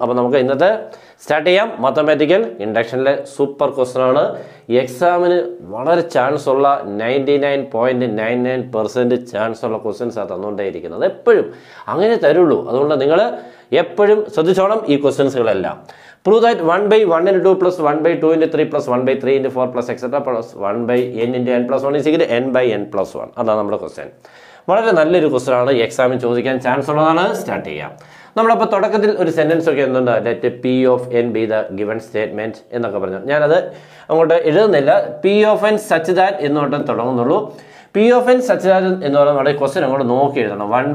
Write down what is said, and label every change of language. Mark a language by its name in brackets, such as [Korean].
[Malayalam] അപ്പം നമുക്ക് ഇന്നത്തെ സ്റ്റാർട്ട് ചെയ്യാം. മാത്തമാറ്റിക്കൽ ഇൻഡക്ഷനിലെ സൂപ്പർ ക്വസ്റ്റ്യൻ ആണ്. എക്സാമിന് വളരെ ചാൻസ് ഉള്ള 99.99% ചാൻസ് ഉള്ള ക്വസ്റ്റ്യൻസ് ആണ് തന്നുകൊണ്ടേയിരിക്കുന്നത്. എപ്പോഴും അങ്ങനെ തരുള്ളൂ. അതുകൊണ്ട് നിങ്ങൾ എപ്പോഴും ശ്രദ്ധിച്ചോണം ഈ ക്വസ്റ്റ്യൻസുകളെല്ലാം. [English] Prove that 1/1 × 2 + 1/2 × 3 + 1/3 × 4 + etc. + 1/n × n + 1 = n/n + 1. [Malayalam] അതാണ് നമ്മുടെ ക്വസ്റ്റ്യൻ. വളരെ നല്ലൊരു ക്വസ്റ്റ്യൻ ആണ്, എക്സാമിൽ ചോദിക്കാൻ ചാൻസ് ഉള്ളതാണ്. സ്റ്റാർട്ട് ചെയ്യാം. നമ്മളപ്പോൾ തുടക്കത്തിൽ ഒരു സെൻറ്റൻസ് ഒക്കെ എന്തുണ്ട്, [English] let P(n) the given statement [Malayalam] എന്നൊക്കെ പറഞ്ഞു. ഞാനത് അങ്ങോട്ട് എഴുതുന്നില്ല. P(n) such that എന്ന് പറഞ്ഞാൽ തുടങ്ങുന്നുള്ളൂ. P(n) such that എന്ന് പറഞ്ഞാൽ നമ്മുടെ ക്വസ്റ്റ്യൻ അങ്ങോട്ട് നോക്കി എഴുതണം.